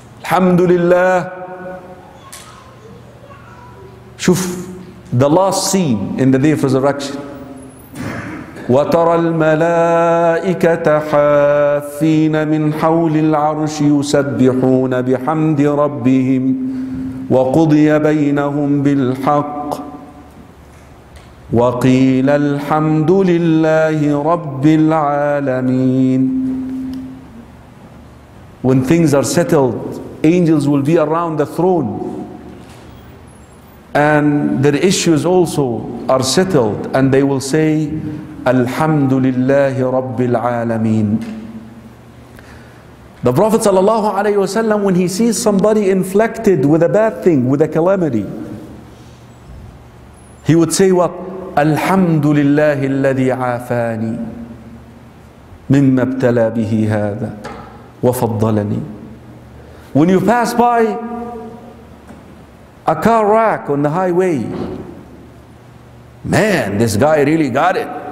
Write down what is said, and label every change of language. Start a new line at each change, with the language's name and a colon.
Arabic: الحمد لله شوف
English: the last scene in the day of resurrection
Arabic: وترى الملائكة حافين من حول العرش يسبحون بحمد ربهم وقضي بينهم بالحق وقيل الحمد لله رب العالمين.
English: When things are settled, angels will be around the throne. And their issues also are settled. And they will say,
Arabic: الحمد لله رب العالمين.
English: The Prophet sallallahu alayhi wa sallam, when he sees somebody inflicted with a bad thing, with a calamity, he would say what?
Arabic: الحمد لله الذي عافاني مما ابتلى به هذا وفضلني.
English: When you pass by a car wreck on the highway, man, this guy really got it.